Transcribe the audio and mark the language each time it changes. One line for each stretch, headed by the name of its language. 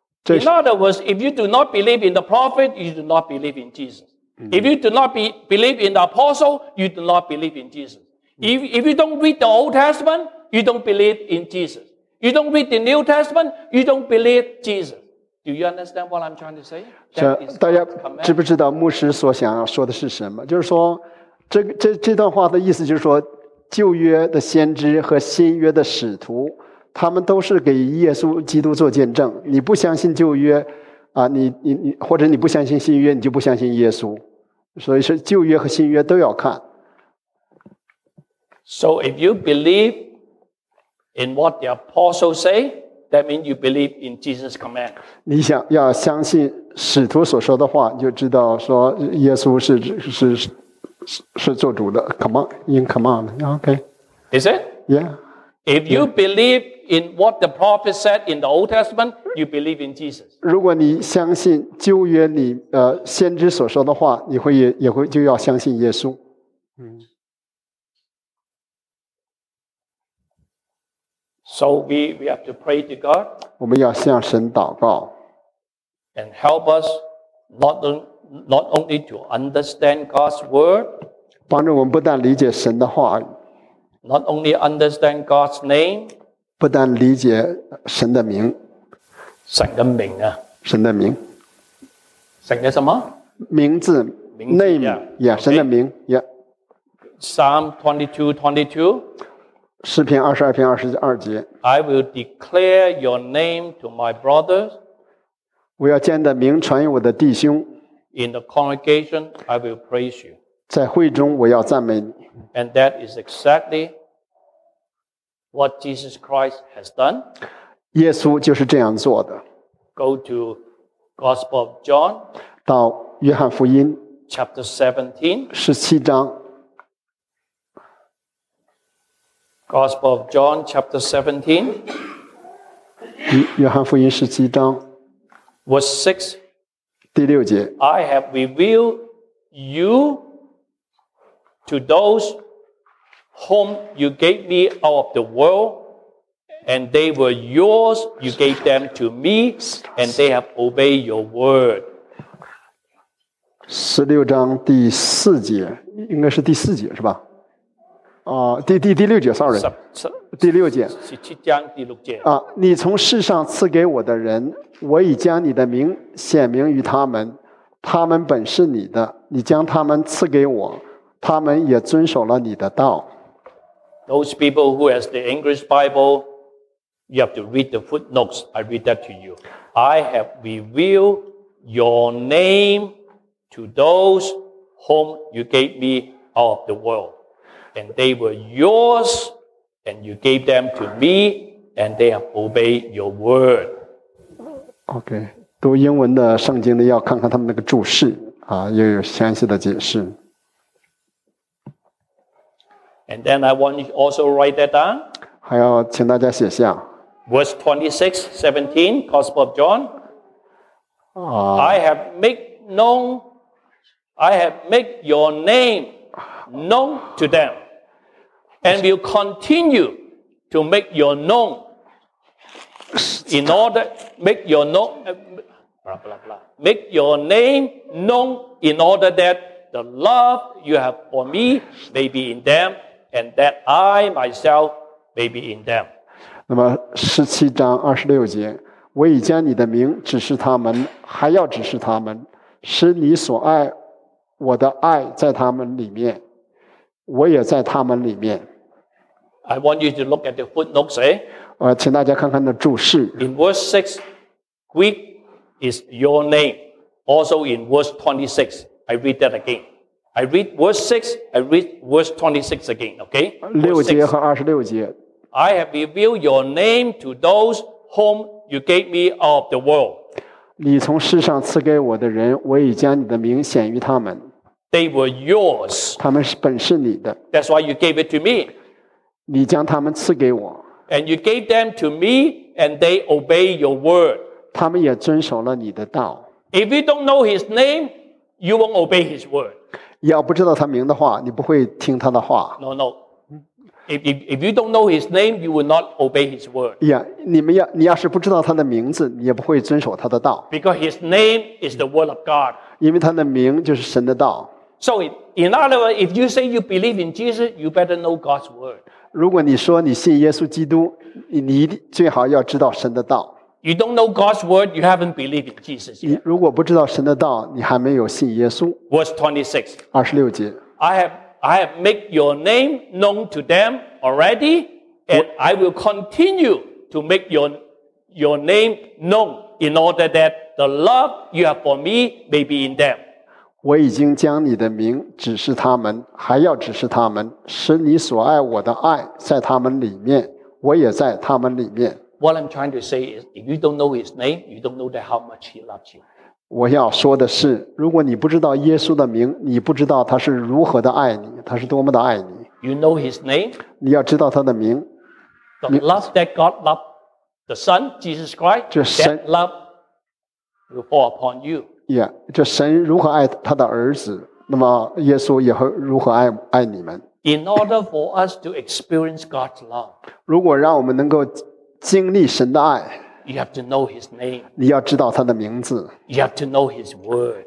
English: In other words, if you do not believe in the Prophet, you do not believe in Jesus. If you do not believe in the Apostle, you do not believe in Jesus. If you don't read the Old Testament, you don't believe in Jesus. You don't read the New Testament, you don't believe Jesus. Do you understand what I'm trying to say?
Chinese: 大家知不知道牧师所想要说的是什么？就是说，这段话的意思就是说，旧约的先知和新约的使徒，他们都是给耶稣基督做见证。你不相信旧约，你或者你不相信新约，你就不相信耶稣。所以说，旧约和新约都要看。
English: So if you believeIn what the apostles say, that means you believe in Jesus' command.
Chinese: 你想要相信使徒所说的话，就知道说耶稣是做主的。
English: Come on, in command. Okay. Is it? Yeah. If you believe in what the prophet said in the Old Testament, you believe in Jesus.
Chinese: 如果你相信旧约里先知所说的话，你会也会就要相信耶稣。
English: So we have to pray to God.
Chinese: 我们要向神祷告。
English: And help us not only to understand God's word.
Chinese: 帮助我们不但理解神的话语。
English: Not only understand God's name.
Chinese: 不但理解神的名。神的名啊。神的名。神的什么？名字。名字。
English: Name. Yeah.
Chinese: 神的名。
English: Yeah. Psalm 22:22.
Chinese: 篇二十二篇二十二节。
English: I will declare your name to my brothers.
Chinese: 我要将你的名传与我的弟兄。
English: In the congregation, I will praise you.
Chinese: 在会中，我要赞美你。
English: And that is exactly what Jesus Christ has done.
Chinese: 耶稣就是这样做的。
English: Go to Gospel of John.
Chinese: 到约翰福音。
English: Chapter 17.
Chinese: 十七章。
English: Gospel of John, chapter 17.
Chinese: 约翰福音十七章。
English: Verse 6.
Chinese: 第六节。
English: I have revealed you to those whom you gave me out of the world, and they were yours, you gave them to me, and they have obeyed your word.
Chinese: 十六章第四节，应该是第四节，是吧？第六节。十七章第六节。啊，你从世上赐给我的人，我已将你的名显明于他们，他们本是你的，你将他们赐给我，他们也遵守了你的道。
English: Those people who has the English Bible, you have to read the footnotes. I read that to you. I have revealed your name to those whom you gave me out of the world. And they were yours, and you gave them to me, and they have obeyed your word.
Chinese: Okay, 读英文的圣经的要看看他们那个注释啊，又有详细的解释。
English: And then I want you also write that down.
Chinese: 还要请大家写下。
English: Verse 26, 17, Gospel of John. I have made your name known to them. And will continue to make your known in order make your known make your name known in order that the love you have for me may be in them and that I myself may be in them.
Chinese: 那么十七章二十六节，我已将你的名指示他们，还要指示他们，使你所爱我的爱在他们里面，我也在他们里面。
English: I want you to look at the footnotes, eh?
Chinese: 请大家看看的注释。
English: In verse 6, Greek is your name. Also in verse 26, I read that again. I read verse 6, I read verse 26 again, okay?
Chinese: 六节和二十六节。
English: I have revealed your name to those whom you gave me out of the world.
Chinese: 你从世上赐给我的人，我已将你的名显于他们。
English: They were yours.
Chinese: 他们本是你的。
English: That's why you gave it to me.
Chinese: 你将他们赐给我。
English: And you gave them to me, and they obey your word.
Chinese: 他们也遵守了你的道。
English: If you don't know his name, you won't obey his word.
Chinese: 要不知道他名的话，你不会听他的话。
English: No, no. If you don't know his name, you will not obey his word.
Chinese: Yeah, 你要是不知道他的名字，你也不会遵守他的道。
English: Because his name is the word of God.
Chinese: 因为他的名就是神的道。
English: So in other words, if you say you believe in Jesus, you better know God's word.
Chinese: 如果你说你信耶稣基督，你最好要知道神的道。
English: You don't know God's word, you haven't believed in Jesus yet.
Chinese: 你如果不知道神的道，你还没有信耶稣。
English: Verse 26.
Chinese: 二十六节。
English: I have made your name known to them already, and I will continue to make your name known in order that the love you have for me may be in them.
Chinese: 我已经将你的名指示他们，还要指示他们，使你所爱我的爱在他们里面，我也在他们里面。
English: What I'm trying to say is, if you don't know his name, you don't know that how much he loves you.
Chinese: 我要说的是，如果你不知道耶稣的名，你不知道他是如何的爱你，他是多么的爱你。
English: You know his name.
Chinese: 你要知道他的名。
English: The love that God loved the Son Jesus Christ, that love will fall upon you.
Chinese: Yeah, 这神如何爱他的儿子，那么耶稣也会如何爱你们。
English: In order for us to experience God's love,
Chinese: 如果让我们能够经历神的爱，
English: you have to know His name.
Chinese: 你要知道他的名字。
English: You have to know His word.